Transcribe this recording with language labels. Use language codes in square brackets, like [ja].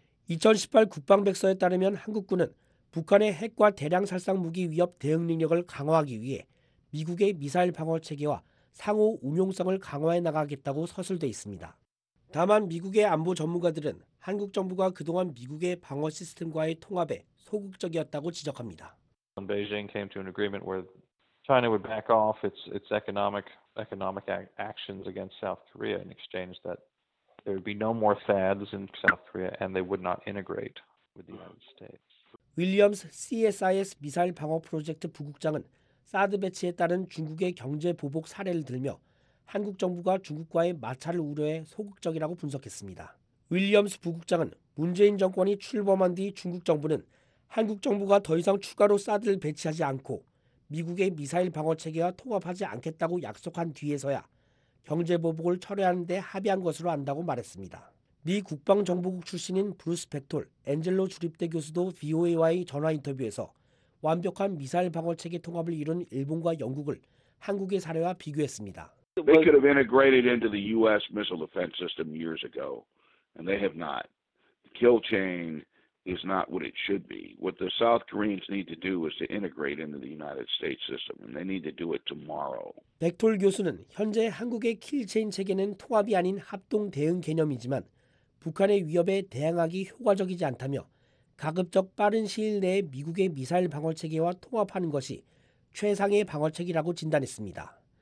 [ko] 2018 국방백서에 따르면 한국군은 북한의 핵과 대량 살상 무기 위협 대응 능력을 강화하기 위해 미국의 미사일 방어 체계와 상호 운용성을 강화해 나가겠다고 서술돼 있습니다. 다만 미국의 안보 전문가들은 한국 정부가 그동안 미국의 방어 시스템과의 통합에 소극적이었다고 지적합니다. [en] When Beijing came to an agreement where China would back off its economic actions against South Korea in exchange that there would be no more THAADs in South Korea and they would not integrate with the United States. [ko] 윌리엄스 CSIS 미사일 방어 프로젝트 부국장은 사드 배치에 따른 중국의 경제 보복 사례를 들며 한국 정부가 중국과의 마찰을 우려해 소극적이라고 분석했습니다. 윌리엄스 부국장은 문재인 정권이 출범한 뒤 중국 정부는 한국 정부가 더 이상 추가로 사드를 배치하지 않고 미국의 미사일 방어 체계와 통합하지 않겠다고 약속한 뒤에서야 경제 보복을 철회하는 데 합의한 것으로 안다고 말했습니다. 미 국방정보국 출신인 브루스 백톨, 앤젤로 주립대 교수도 VOA와의 전화 인터뷰에서 완벽한 미사일 방어 체계 통합을 이룬 일본과 영국을 한국의 사례와 비교했습니다. [en] They could have integrated into the U.S. missile defense system years ago, and they have not. The kill chain is not what it should be. What the South Koreans need to do is to integrate into the United States system, and they need to do it tomorrow. [ko] 백돌 교수는 현재 한국의 킬체인 체계는 통합이 아닌 합동 대응 개념이지만 북한의 위협에 대응하기 효과적이지 않다며 가급적 빠른 시일 내에 미국의 미사일 방어 체계와 통합하는 것이 최상의 방어 체계라고 진단했습니다.